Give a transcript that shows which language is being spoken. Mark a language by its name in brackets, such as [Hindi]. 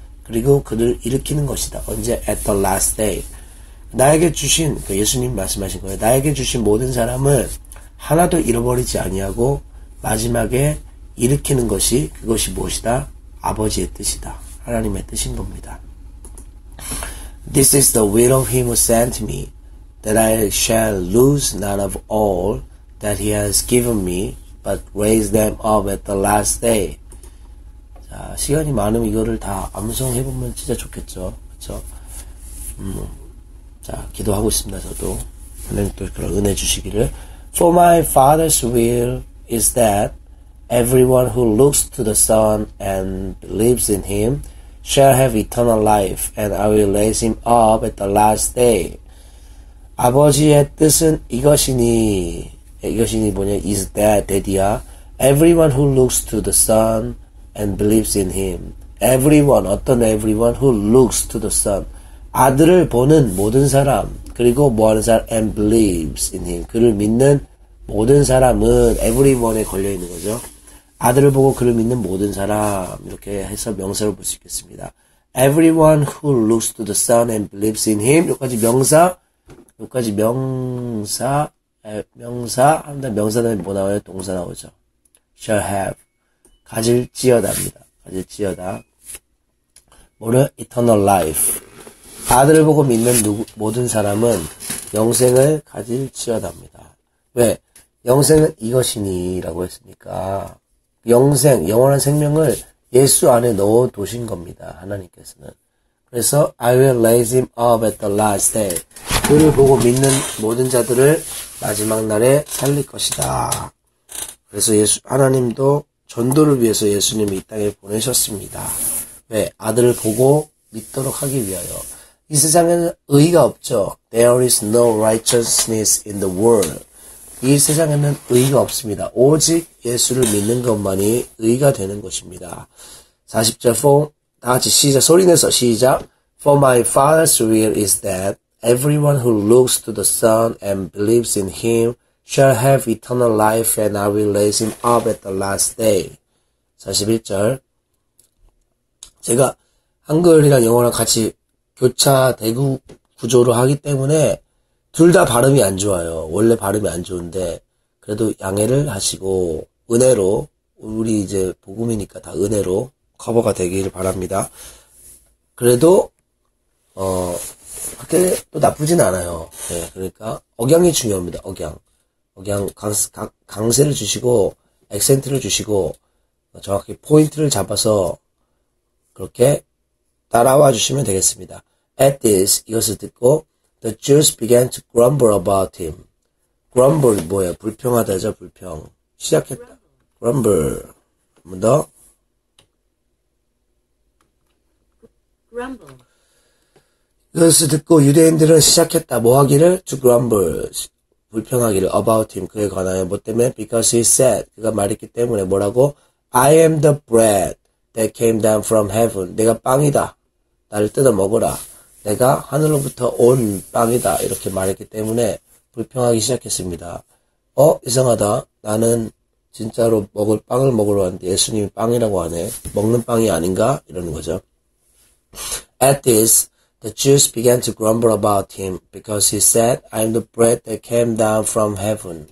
[Korean] 그리고 그들을 일으키는 것이다. 언제? [English] At the last day. [Korean] 나에게 주신, 그 예수님 말씀하신 거예요. 나에게 주신 모든 사람을 하나도 잃어버리지 아니하고 마지막에 일으키는 것이 그것이 무엇이다? 아버지의 뜻이다. 하나님의 뜻인 겁니다. [English] This is the will of him who sent me, that I shall lose none of all that he has given me, but raise them up at the last day. [Korean] 자, 시간이 많으면 이거를 다 암송해보면 진짜 좋겠죠. 그쵸? 자, 기도하고 있습니다. 저도. 하나님 또 그런 은혜 주시기를. [English] For my father's will is that everyone who looks to the son and believes in him shall have eternal life, and I will raise him up at the last day. [Korean] 아버지의 뜻은 이것이니, 이것이니 뭐냐, [English] is that, [Korean] 대디야. [English] Everyone who looks to the son and believes in him. Everyone, [Korean] 어떤 [English] everyone who looks to the son. [Korean] 아들을 보는 모든 사람, 그리고 뭐 하는 사람, [English] and believes in him. [Korean] 그를 믿는 모든 사람은 everyone에 걸려 있는 거죠. 아들을 보고 그를 믿는 모든 사람. 이렇게 해서 명사로 볼수 있겠습니다. [English] Everyone who looks to the Son and believes in him. [Korean] 여기까지 명사. 명사. 한다. 명사 다음에 뭐 나와요? 동사 나오죠. [English] shall have. [Korean] 가질지어다입니다. 가질지어다. 뭐는? [English] eternal life. [Korean] 아들을 보고 믿는 모든 사람은 영생을 가질지어다입니다. 왜? 영생은 이것이니라고 했으니까. 영생, 영원한 생명을 예수 안에 넣어 두신 겁니다. 하나님께서는. 그래서 [English] I will raise him up at the last day. [Korean] 그를 보고 믿는 모든 자들을 마지막 날에 살릴 것이다. 그래서 예수 하나님도 전도를 위해서 예수님이 이 땅에 보내셨습니다. 왜? 아들을 보고 믿도록 하기 위하여. 이 세상에는 의가 없죠. [English] There is no righteousness in the world. [Korean] 이 세상에는 의의가 없습니다. 오직 예수를 믿는 것만이 의의가 되는 것입니다. 40절, 다 같이 시작, 소리내서 시작. [English] For my Father's will is that everyone who looks to the Son and believes in him shall have eternal life, and I will raise him up at the last day. [Korean] 41절. 제가 한글이랑 영어랑 같이 교차 대구 구조로 하기 때문에 둘다 발음이 안 좋아요. 원래 발음이 안 좋은데, 그래도 양해를 하시고, 은혜로, 우리 이제 복음이니까 다 은혜로 커버가 되기를 바랍니다. 그래도, 그렇게 또 나쁘진 않아요. 예, 네, 그러니까, 억양이 중요합니다. 억양. 억양, 강세를 주시고, 액센트를 주시고, 정확히 포인트를 잡아서, 그렇게 따라와 주시면 되겠습니다. [English] At this, [Korean] 이것을 듣고, [English] The Jews began to grumble about him. [Korean] Grumble 뭐예요? 불평하다죠. 불평. 시작했다. Grumble. 한번 더. [English] Grumble. [Korean] 이것을 듣고 유대인들은 시작했다. 뭐 하기를? [English] To grumble. [Korean] 불평하기를. [English] About him. [Korean] 그에 관하여. 뭐 때문에? [English] Because he said. [Korean] 그가 말했기 때문에. 뭐라고? [English] I am the bread that came down from heaven. [Korean] 내가 빵이다. 나를 뜯어 먹어라. 내가 하늘로부터 온 빵이다. 이렇게 말했기 때문에 불평하기 시작했습니다. 이상하다. 나는 진짜로 먹을 빵을 먹으러 왔는데 예수님이 빵이라고 하네. 먹는 빵이 아닌가? 이러는 거죠. [English] At this, The Jews began to grumble about him because he said, I am the bread that came down from heaven.